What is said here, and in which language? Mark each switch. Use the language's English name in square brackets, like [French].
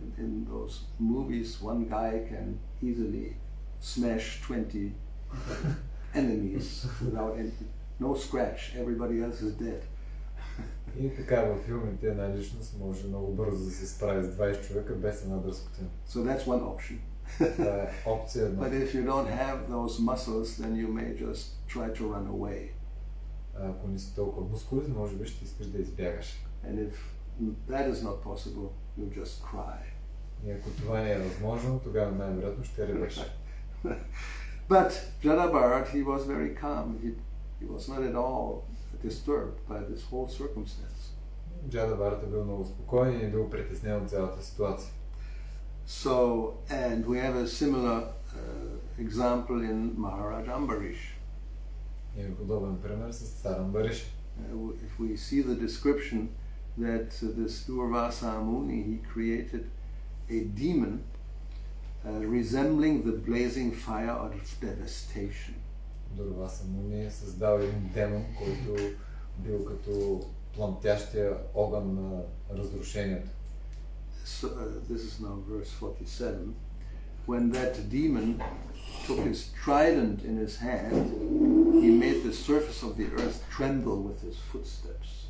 [English] In those movies, one guy can easily smash 20 enemies without any, no scratch, everybody else is dead. [Bulgarian] И така във филмите една личност може много бързо да се справи с 20 човека без една дръзкотина. [English] So that's one option. [Bulgarian] Опция една. [English] But if you don't have those muscles, then you may just try to run away. [Bulgarian] Ако не си толкова мускулист, може би ще искаш да избягаш. [English] And if that is not possible, you just cry. [Bulgarian] И ако това не е възможно, тогава най-вероятно ще ревеш. [English] But Jada Bharata, he was very calm. He was not at all disturbed by this whole circumstance. [Bulgarian] Джада Барата бил много спокоен и не бил притеснен от цялата ситуация. [English] So, and we have a similar example in Maharaj Ambarish. [Bulgarian] Имаме подобен пример с цар Амбариш. [English] If we see the description that this Durvasa Muni, he created a demon resembling the blazing fire of devastation. [Bulgarian] Durvasa Muni е създал един демон, който бил като пламтящия огън на разрушението. [English] So, this is now verse 47. When that demon took his trident in his hand, he made the surface of the earth tremble with his footsteps.